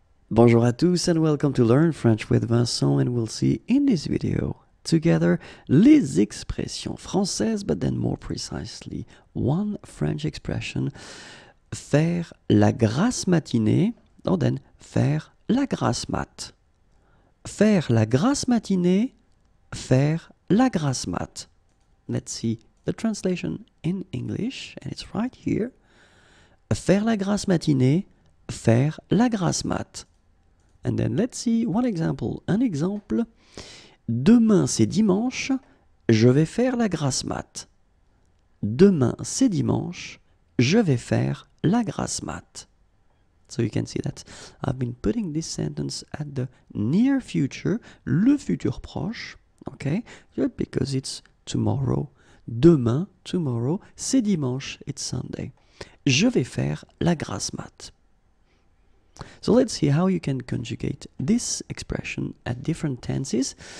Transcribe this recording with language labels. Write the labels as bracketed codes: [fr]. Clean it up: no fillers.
[fr] Bonjour à tous [en] and welcome to Learn French with Vincent, and we'll see in this video together [fr] les expressions françaises, [en] but then more precisely one French expression, [fr] faire la grasse matinée, [en] or then [fr] faire la grasse mat. Faire la grasse matinée, faire la grasse mat. [en] Let's see the translation in English, and it's right here. [fr] Faire la grasse matinée, faire la grasse mat. [en] And then let's see one example. [fr] Un exemple. Demain c'est dimanche, je vais faire la grasse mat. Demain c'est dimanche, je vais faire la grasse mat. [en] So you can see that I've been putting this sentence at the near future, [fr] le futur proche, [en] okay? Yeah, because it's tomorrow. [fr] Demain, [en] tomorrow, [fr] c'est dimanche, [en] it's Sunday. [fr] Je vais faire la grasse mat. [en] So let's see how you can conjugate this expression at different tenses.